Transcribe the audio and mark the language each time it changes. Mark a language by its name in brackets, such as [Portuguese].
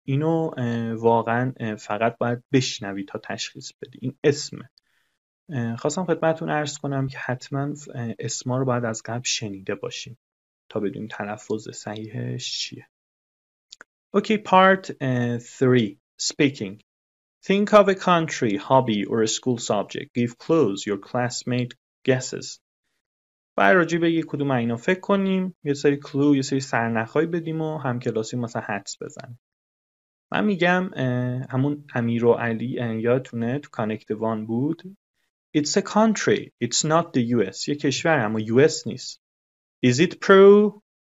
[Persian] اینو واقعا فقط باید بشنوی تا تشخیص بدی این اسمه. خواستم خدمتتون عرض کنم که حتما اسما رو باید از قبل شنیده باشیم تا بدونیم تلفظ صحیحش چیه. [English] Okay, part 3, speaking. Think of a country, hobby, or a school subject. Give clues, your classmate guesses. [Persian] باید راجع به یک کدوم اینا فکر کنیم، یه سری کلو، یه سری سرنخ‌های بدیم و هم کلاسی مثلا حدس بزنیم. من میگم همون امیر و علی یادتونه تو کانکت وان بود. [English] It's a country, it's not the US. [Persian] یه کشور اما US نیست. [English] Is it Peru?